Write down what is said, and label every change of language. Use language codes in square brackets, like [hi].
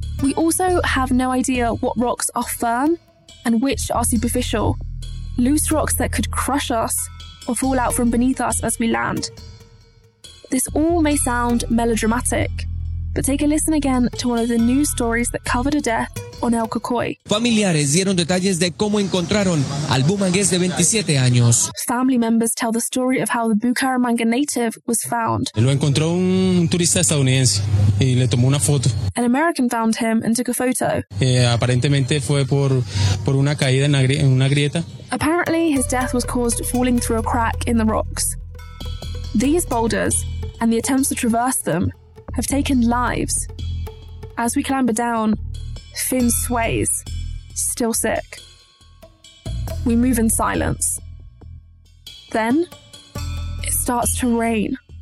[en] We also have no idea what rocks are firm and which are superficial. Loose rocks that could crush us or fall out from beneath us as we land. This all may sound melodramatic, but take a listen again to one of the news stories that covered a death on El Cocoy. [es] Familiares dieron detalles de cómo encontraron al Bumangués de 27 años. [en] Family members tell the story of how the Bucaramanga native was found. [es] Lo encontró un turista estadounidense y le tomó una foto. [en] An American found him and took a photo. [es] Aparentemente fue por una caída en una grieta. [en] Apparently, his death was caused falling through a crack in the rocks. These boulders and the attempts to traverse them have taken lives. As we clamber down, Finn sways, still sick. We move in silence. Then, it starts to rain.